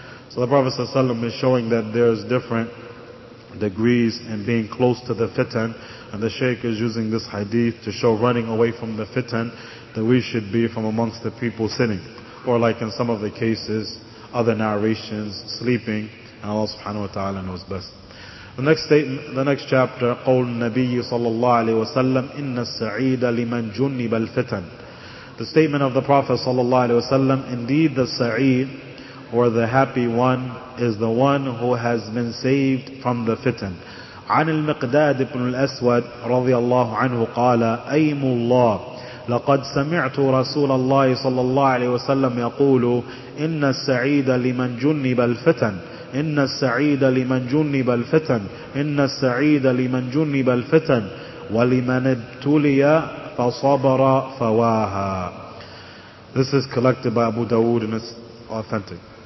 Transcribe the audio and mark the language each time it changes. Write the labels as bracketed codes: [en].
[en] So the Prophet ﷺ is showing that there's different degrees in being close to the fitan. And the Shaykh is using this hadith to show running away from the fitan, that we should be from amongst the people sitting. Or like in some of the cases, other narrations, sleeping, and Allah subhanahu wa ta'ala knows best. The next statement, the next chapter, [ar] قول النبي صلى الله عليه وسلم إن السعيد لمن جنب الفتن. [en] The statement of the Prophet [ar] صلى الله عليه وسلم, [en] indeed the سعيد, or the happy one, is the one who has been saved from the fitan. [ar] عن المقداد بن الأسود رضي الله عنه قال أيم الله لقد سمعت رسول الله صلى الله عليه وسلم يقول إن السعيد لمن جنب الفتن إن السعيد لمن جنب الفتن إن السعيد لمن جنب الفتن ولمن ابتلي فصبر فواها. [en] This is collected by Abu Dawood and it's authentic.